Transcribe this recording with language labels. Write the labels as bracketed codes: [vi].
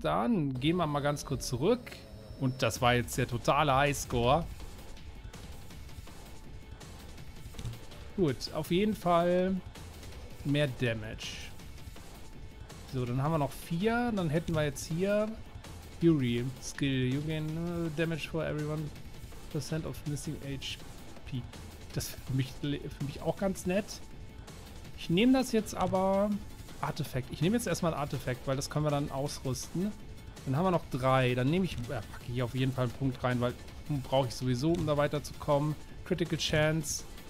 [de] Dann gehen wir mal ganz kurz zurück. Und das war jetzt der totale Highscore. Gut, auf jeden Fall mehr Damage. So, dann haben wir noch 4. Dann hätten wir jetzt hier Yuri Skill. [en] You gain damage for everyone. Percent of missing HP. [de] Das ist für mich auch ganz nett. Ich nehme das jetzt aber Artefakt. Ich nehme jetzt erstmal ein Artefakt, weil das können wir dann ausrüsten. Dann haben wir noch 3. Dann nehme ich, packe ich auf jeden Fall einen Punkt rein, weil brauche ich sowieso, um da weiterzukommen. Critical Chance.